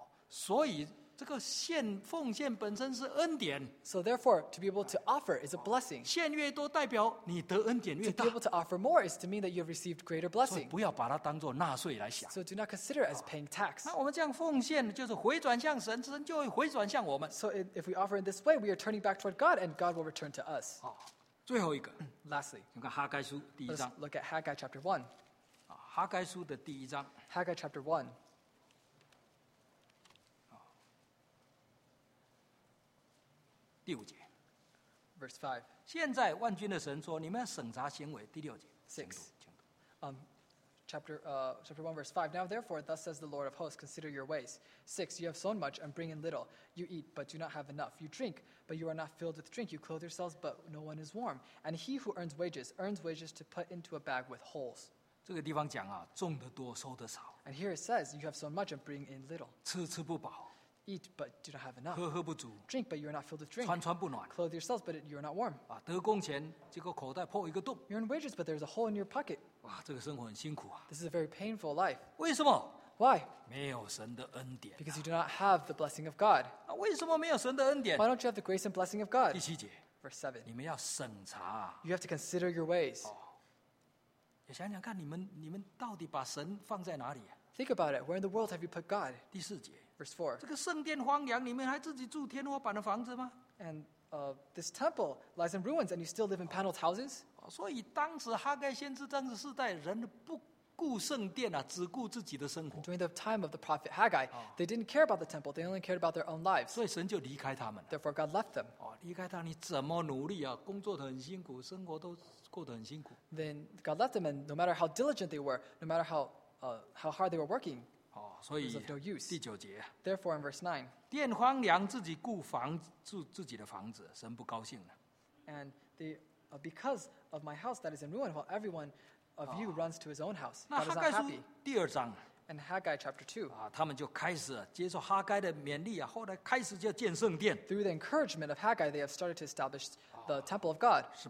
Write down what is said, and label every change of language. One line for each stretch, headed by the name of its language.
Chinese: 所以这个献奉献本身是恩典。
English: So therefore, to be able to offer is a blessing.
Chinese: 献越多代表你得恩典越大。
English: To be able to offer more is to mean that you have received greater blessing.
Chinese: 所以不要把它当作纳税来想。
English: So do not consider it as paying tax.
Chinese: 那我们这样奉献就是回转向神，神就会回转向我们。
English: So if we offer in this way, we are turning back toward God and God will return to us.
Chinese: 最后一个。
English: Lastly.
Chinese: 你看哈该书第一章。
English: Let's look at Haggai chapter 1.
Chinese: 哈该书的第一章。
English: Haggai chapter 1.
Chinese: 第五节
English: Verse 5.
Chinese: 现在万军的神说你们要审查行为第六节
English: 6. chapter 1, verse 5. Now therefore, thus says the Lord of hosts, consider your ways. 6, you have sown much and bring in little. You eat, but do not have enough. You drink, but you are not filled with drink. You clothe yourselves, but no one is warm. And he who earns wages to put into a bag with holes.
Chinese: 这个地方讲啊, 种得多, 收得少,
English: and here it says, you have sown much and bring in little.
Chinese: 吃不饱,
English: eat, but do not have enough.
Chinese: 喝不足,
English: drink, but you are not filled with drink.
Chinese: 穿不暖,
English: clothe yourselves, but you are not warm.
Chinese: 啊, 得工钱, 结果口袋破一个洞,
English: you earn wages, but there is a hole in your pocket.
Chinese: 哇, 这个生活很辛苦啊,
English: this is a very painful life.
Chinese: 为什么?
English: Why?
Chinese: 没有神的恩典啊,
English: because you do not have the blessing of God.
Chinese: 啊, 为什么没有神的恩典?
English: Why don't you have the grace and blessing of God?
Chinese: 第七节,
English: verse 7.
Chinese: 你们要审查,
English: you have to consider your ways.
Chinese: 哦, 想想看你们到底把神放在哪里啊?
English: Think about it. Where in the world have you put God?
Chinese: 第四节,
English: verse 4.
Chinese: 这个圣殿荒凉,你们还自己住天花板的房子吗?
English: And this temple lies in ruins and you still live in paneled houses?
Chinese: 所以当时哈该先知当时世代人不顾圣殿啊,只顾自己的生活。
English: During the time of the prophet Haggai, they didn't care about the temple, they only cared about their own lives.
Chinese: 所以神就离开他们。
English: Therefore God left them.
Chinese: 离开他你怎么努力啊,工作得很辛苦,生活都...
English: Then God left them, and no matter how diligent they were, no matter how hard they were working, it was of no use.
Chinese: 第九节,
English: therefore, in verse 9,
Chinese: 殿荒凉自己顾房,住自己的房子, 神不高兴了。
English: And they, because of my house that is in ruin, while everyone of you runs to his own house, God is not happy.
Chinese: 第二章,
English: and Haggai chapter 2,
Chinese: 啊, 他们就开始接受哈该的勉励啊,
English: through the encouragement of Haggai, they have started to establish the temple of God.